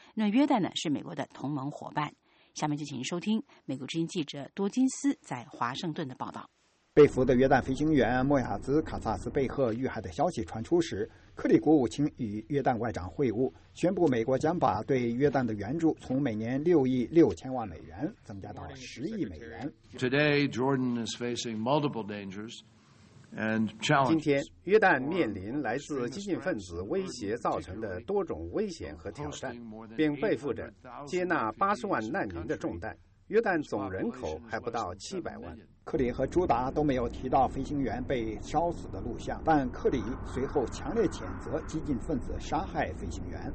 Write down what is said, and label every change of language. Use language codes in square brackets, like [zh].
[zh] 那约旦呢，是美国的同盟伙伴。下面就请收听美国之音记者多金斯在华盛顿的报道。被俘的约旦飞行员莫亚兹·卡萨斯贝赫遇害的消息传出时，克里国务卿与约旦外长会晤，宣布美国将把对约旦的援助从每年6亿6000万美元增加到10亿美元。 [en] Today, Jordan is facing multiple dangers and challenges. [zh] 今天，约旦面临来自激进分子威胁造成的多种危险和挑战，并背负着接纳80万难民的重担。约旦总人口还不到700万。克里和朱达都没有提到飞行员被烧死的录像，但克里随后强烈谴责激进分子杀害飞行员。